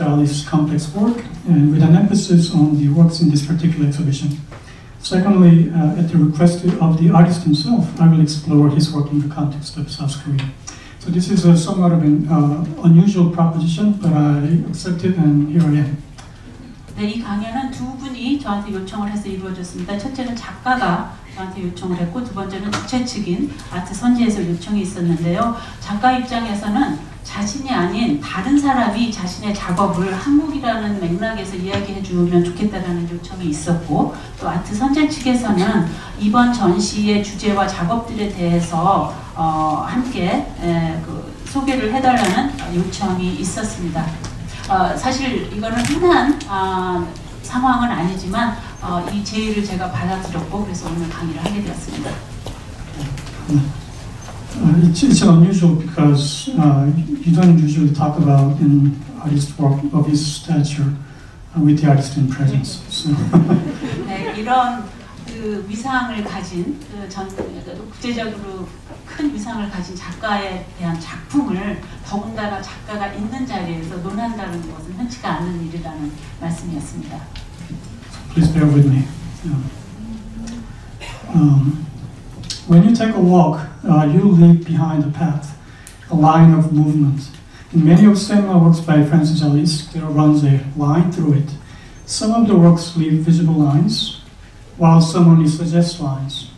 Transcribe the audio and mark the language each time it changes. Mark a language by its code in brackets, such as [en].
[en] Alice's complex work, and with an emphasis on the works in this particular exhibition. Secondly, at the request of the artist himself, I will explore his work in the context of South Korea. So this is a somewhat of an unusual proposition, but I accept it, and here I am. [ko] 네, 이 강연은 두 분이 저한테 요청을 해서 이루어졌습니다. 첫째는 작가가 저한테 요청을 했고 두 번째는 주최 측인 아트 선지에서 요청이 있었는데요. 작가 입장에서는 자신이 아닌 다른 사람이 자신의 작업을 한국이라는 맥락에서 이야기해 주면 좋겠다라는 요청이 있었고 또 아트 선지 측에서는 이번 전시의 주제와 작업들에 대해서 함께 소개를 해달라는 요청이 있었습니다. 사실 이거는 흔한 상황은 아니지만 이 제의를 제가 받아들였고 그래서 오늘 강의를 하게 되었습니다. [en] It's unusual because you don't usually talk about an artist work of his stature with the artist in presence. So. [ko] 네, 이런 그 위상을 가진 국제적으로 큰 위상을 가진 작가에 대한 작품을 더군다나 작가가 있는 자리에서 논한다는 것은 흔치가 않은 일이라는 말씀이었습니다. [en] Please bear with me. When you take a walk, you leave behind a path, a line of movement. In many of similar works by Francis Alice, there runs a line through it. Some of the works leave visible lines, while some only suggest lines.